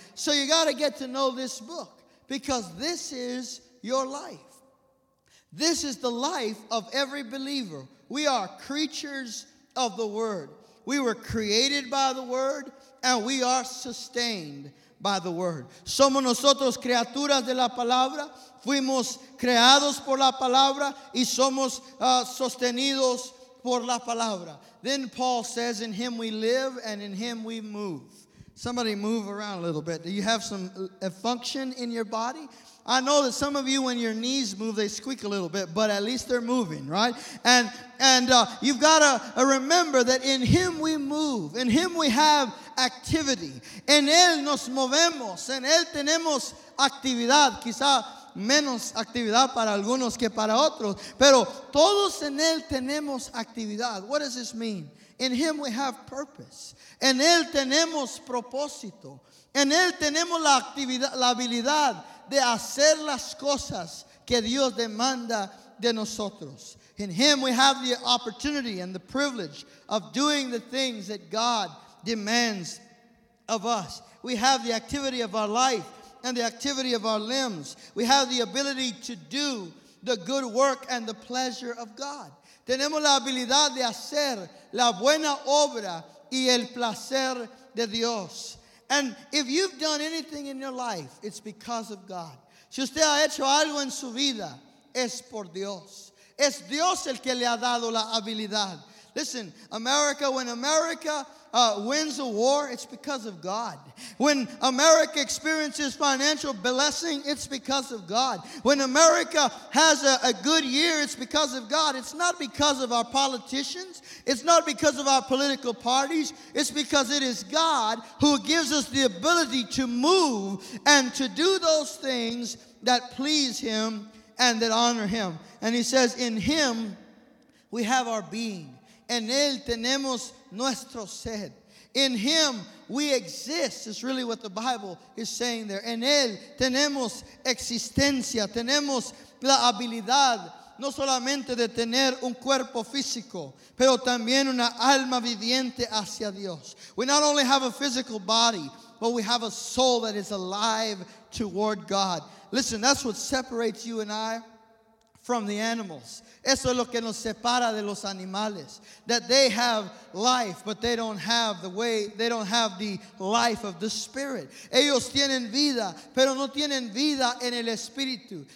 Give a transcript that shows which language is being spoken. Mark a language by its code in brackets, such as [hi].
[en] So you got to get to know this book, because this is your life. This is the life of every believer. We are creatures of the Word. We were created by the Word, and we are sustained by the Word. [es] Somos nosotros criaturas de la palabra. Fuimos creados por la palabra y somos sostenidos por la palabra. [en] Then Paul says, in Him we live and in Him we move. Somebody move around a little bit. Do you have a function in your body? I know that some of you, when your knees move, they squeak a little bit, but at least they're moving, right? And you've got to remember that in Him we move. In Him we have activity. [es] En Él nos movemos. En Él tenemos actividad. Quizá menos actividad para algunos que para otros. Pero todos en Él tenemos actividad. [en] What does this mean? In Him we have purpose. [es] En Él tenemos propósito. En Él tenemos la actividad, la habilidad de hacer las cosas que Dios demanda de nosotros. [en] In Him we have the opportunity and the privilege of doing the things that God demands of us. We have the activity of our life and the activity of our limbs. We have the ability to do the good work and the pleasure of God. [es] Tenemos la habilidad de hacer la buena obra y el placer de Dios. [en] And if you've done anything in your life, it's because of God. [es] Si usted ha hecho algo en su vida, es por Dios. Es Dios el que le ha dado la habilidad. [en] Listen, America, when America wins a war, it's because of God. When America experiences financial blessing, it's because of God. When America has a good year, it's because of God. It's not because of our politicians. It's not because of our political parties. It's because it is God who gives us the ability to move and to do those things that please Him and that honor Him. And He says, in Him we have our being. [es] En Él tenemos nuestro ser. [en] In Him we exist, is really what the Bible is saying there. [es] En Él tenemos existencia, tenemos la habilidad no solamente de tener un cuerpo físico, pero también una alma viviente hacia Dios. [en] We not only have a physical body, but we have a soul that is alive toward God. Listen, that's what separates you and I from the animals. [es] Eso es lo que nos separa de los animales. [en] That they have life, but they don't have the way, they don't have the life of the spirit. [es] Ellos tienen vida, pero no tienen vida en el espíritu.